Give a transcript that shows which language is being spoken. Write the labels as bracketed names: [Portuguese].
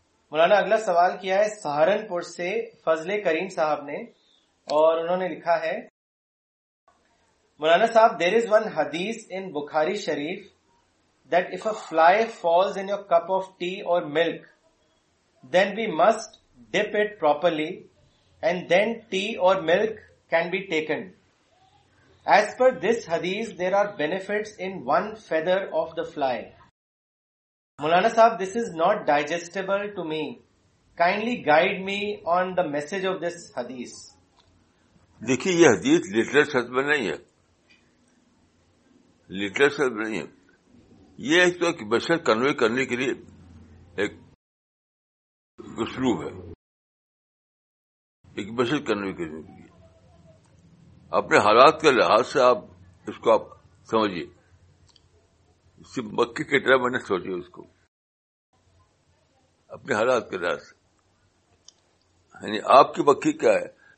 [Urdu] مولانا اگلا سوال کیا ہے سہارنپور سے فضل کریم صاحب نے, اور انہوں نے لکھا ہے [English] مولانا صاحب there is one حدیث in Bukhari Sharif that if a fly falls in your cup of tea or milk then we must dip it properly and then tea or milk can be taken, as per this حدیث there are benefits in one feather of the fly. مولانا صاحب this is not digestible to me, kindly guide me on the message of this حدیث. [Urdu] دیکھیے یہ حدیث literature میں نہیں ہے, لٹریچر میں نہیں ہے, یہ ایک تو ایک بشر کنوے کرنے کے لیے ایک اسلوب ہے, ایک بشر کنوے کرنے کے لیے اپنے حالات کے لحاظ سے آپ اس کو آپ سمجھیے, مکی کے طرح میں نے سوچی اس کو اپنے حالات کے لحاظ سے, یعنی آپ کی مکی کیا ہے.